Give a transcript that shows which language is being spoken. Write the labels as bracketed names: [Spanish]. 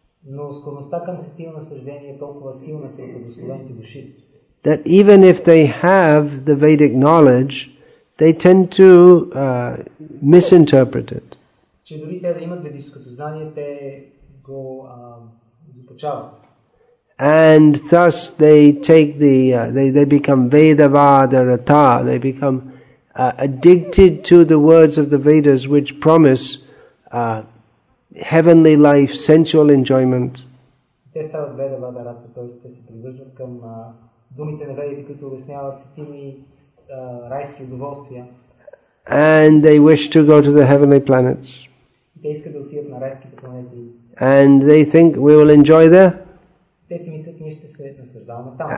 [Bulgarian] Но склонността към сетивно наслаждение е толкова силна сред обусловените души. [English] That even if they have the Vedic knowledge, they tend to misinterpret it. [Bulgarian] Че дори те да имат ведическото знание, те го започават. [English] And thus they take the they become Vedavadarata, they become addicted to the words of the Vedas which promise heavenly life, sensual enjoyment. [Bulgarian] Те стават Vedavadarata, т.е. те се привържат към думите на Ведите, които обясняват сетивни райски удоволствия. [English] And they wish to go to the heavenly planets. [Bulgarian] Те искат да отидат на райските планети. [English] And they think we will enjoy there. [Bulgarian] Те си мислят, ние ще се наслаждаваме там.